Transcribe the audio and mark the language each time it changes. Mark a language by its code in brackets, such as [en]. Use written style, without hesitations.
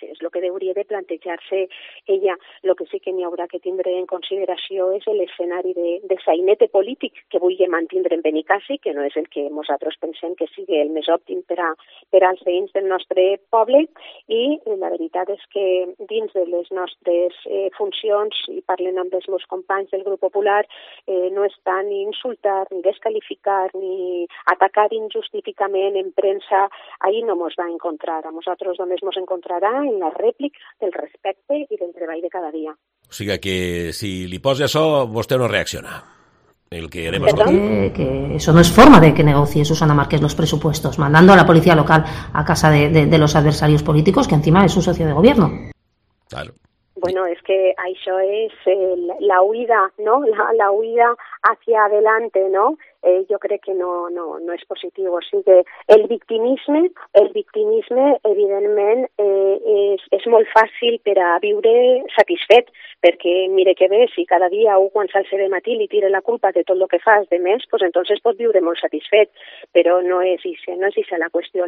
[ca] És el que hauria de plantejar-se ella. El que sí que n'hi haurà que tindre en consideració és l'escenari de sainete polític que vulgui mantindre en Benicàssim, que no és el que nosaltres pensem que sigui el més òptim per als veïns del nostre poble, i la veritat és que dins de les nostres funcions, i parlen amb els meus companys del Grup Popular, no està ni insultar, ni descalificar, ni atacar injustificament en premsa. Ahir no mos va encontrar. A nosaltres només mos encontrarà en la rèplica del respecte i del treball de cada dia. O sigui que si li posa això, vostè no reacciona. [es] El que haremos que eso no es forma de que negocie Susana Márquez los presupuestos, mandando a la policía local a casa de los adversarios políticos, que encima es su socio de gobierno. Claro. Bueno, es que eso es la huida, ¿no? La huida hacia adelante, ¿no? Yo creo que no es positivo. Así que [ca] el victimisme, evidentment, és molt fàcil per a viure satisfet, perquè mire que bé, si cada dia un quan s'alce de matí li tira la culpa de tot el que fas de més, [es] pues entonces [ca] pot viure molt satisfet, però no és ixa la qüestió.